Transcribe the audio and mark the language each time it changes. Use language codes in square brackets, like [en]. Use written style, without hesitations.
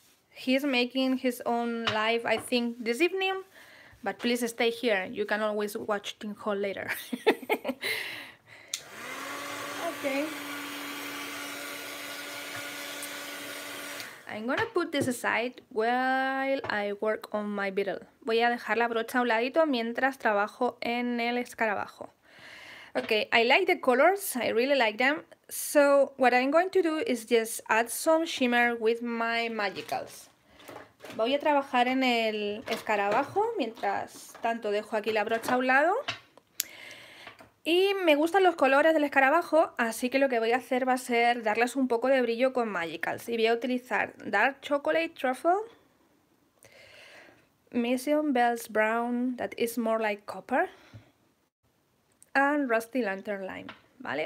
[en] He's making his own live, I think, this evening. But please stay here. You can always watch Tim Hall later. Okay. I'm gonna put this aside while I work on my beetle. [es] Voy a dejar la brocha a un ladito mientras trabajo en el escarabajo. [en] Okay, I like the colors. I really like them. So what I'm going to do is just add some shimmer with my magicals. [es] Voy a trabajar en el escarabajo mientras tanto dejo aquí la brocha a un lado. Y me gustan los colores del escarabajo, así que lo que voy a hacer va a ser darles un poco de brillo con Magicals. Y voy a utilizar Dark Chocolate Truffle, Mission Bells Brown, [en] that is more like copper, [es] and Rusty Lantern Lime, ¿vale?